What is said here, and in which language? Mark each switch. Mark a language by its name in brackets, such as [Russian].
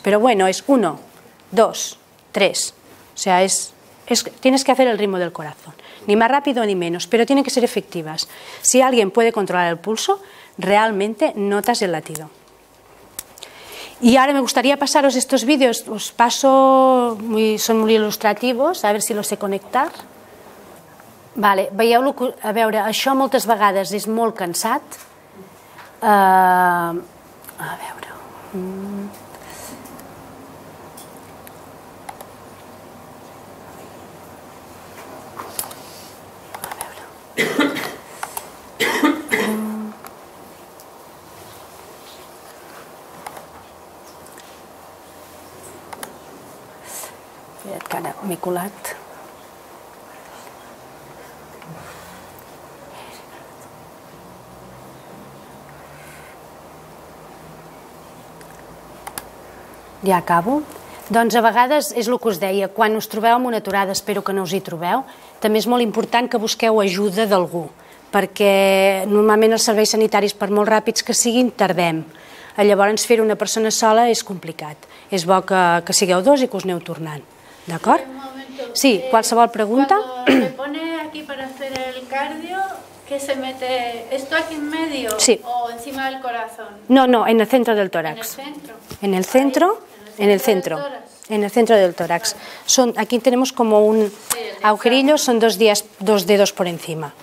[Spanish] Pero bueno, es 1, 2, 3. O sea, tienes que hacer el ritmo del corazón. Ni más rápido ni menos, pero tienen que ser efectivas. Si alguien puede controlar el pulso, realmente notas el latido. Y ahora me gustaría pasaros estos vídeos, os paso, son muy ilustrativos, a ver si los sé connectar. [Catalan] Vale, veieu, a veure, això moltes vegades és molt cansat. A veure... Colat. Ja acabo. Doncs a vegades és el que us deia, quan us trobeu amb una aturada, espero que no us hi trobeu, també és molt important que busqueu ajuda d'algú, perquè normalment els serveis sanitaris, per molt ràpids que siguin, tardem. Llavors, fer una persona sola és complicat. És bo que sigueu dos i que us aneu tornant. D'acord? Sí, qualsevol pregunta? [Spanish] Cuando se pone aquí para hacer el cardio, ¿qué se mete? ¿Esto aquí en medio sí. o encima del corazón? No, no, en el centro del tórax. ¿En el centro? En el centro, ahí, en el centro. En el centro. En el centro del tórax. Vale. Son, aquí tenemos como un agujerillo, son dos dedos por encima.